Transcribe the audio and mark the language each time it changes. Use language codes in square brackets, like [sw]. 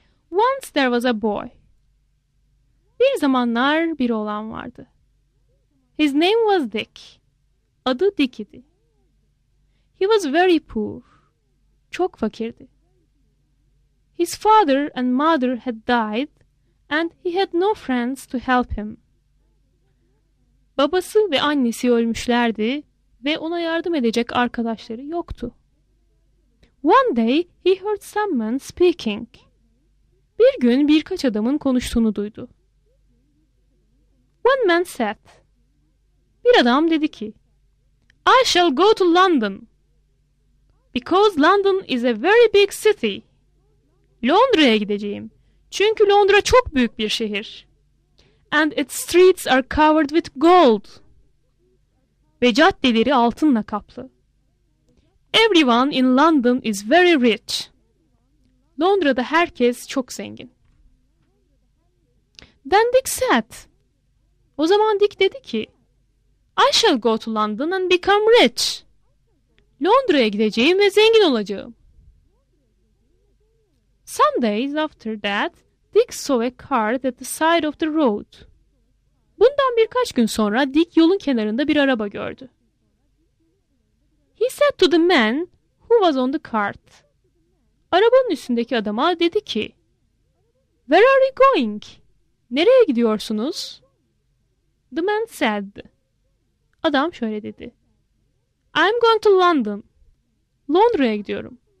[en] Once there was a boy. [tr] Bir zamanlar bir oğlan vardı. [en] His name was Dick. [tr] Adı Dick idi. [en] He was very poor. [tr] Çok fakirdi. [en] His father and mother had died and he had no friends to help him. [tr] Babası ve annesi ölmüşlerdi ve ona yardım edecek arkadaşları yoktu. [en] One day he heard someone speaking. [tr] Bir gün birkaç adamın konuştuğunu duydu. [en] One man said. [tr] Bir adam dedi ki, [en] I shall go to London because London is a very big city. [tr] Londra'ya gideceğim. Çünkü Londra çok büyük bir şehir. [en] And its streets are covered with gold. [tr] Ve caddeleri altınla kaplı. [en] Everyone in London is very rich. [tr] Londra'da herkes çok zengin. [en] Then Dick said. [tr] O zaman Dick dedi ki, [en] I shall go to London and become rich. [tr] Londra'ya gideceğim ve zengin olacağım. [en] Some days after that, Dick saw a cart at the side of the road. [tr] Bundan birkaç gün sonra Dick yolun kenarında bir araba gördü. [en] He said to the man who was on the cart. [tr] Arabanın üstündeki adama dedi ki, [en] Where are you going? [tr] Nereye gidiyorsunuz? [en] The man said. [tr] Adam şöyle dedi, [en] I'm going to London. [tr] Londra'ya gidiyorum.